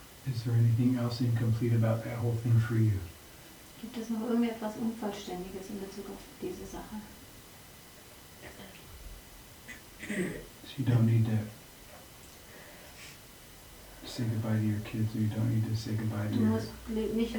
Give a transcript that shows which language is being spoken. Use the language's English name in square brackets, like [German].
[English] Is there anything else incomplete about that whole thing for you? [German] Gibt es noch irgendetwas Unvollständiges in Bezug auf diese Sache? [English] So you don't need to say goodbye to your kids, or you don't need to say goodbye to